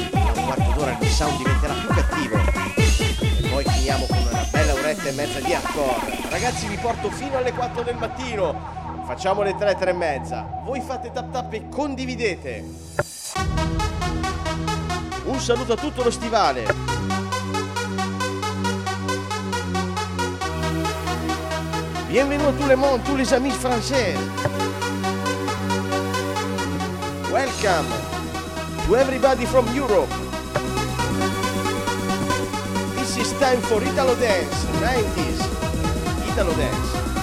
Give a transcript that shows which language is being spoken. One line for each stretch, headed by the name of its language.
Italian: In un quarto d'ora il sound diventerà più cattivo. E poi finiamo con una bella oretta e mezza di hardcore. Ragazzi, vi porto fino alle 4 del mattino. Facciamo le 3, 3 e mezza. Voi fate tap tap e condividete. Un saluto a tutto lo stivale.
French: Bienvenue à tout le monde, tous les amis français.
English: Welcome to everybody from Europe. This is time for Italo Dance 90s. Italo Dance.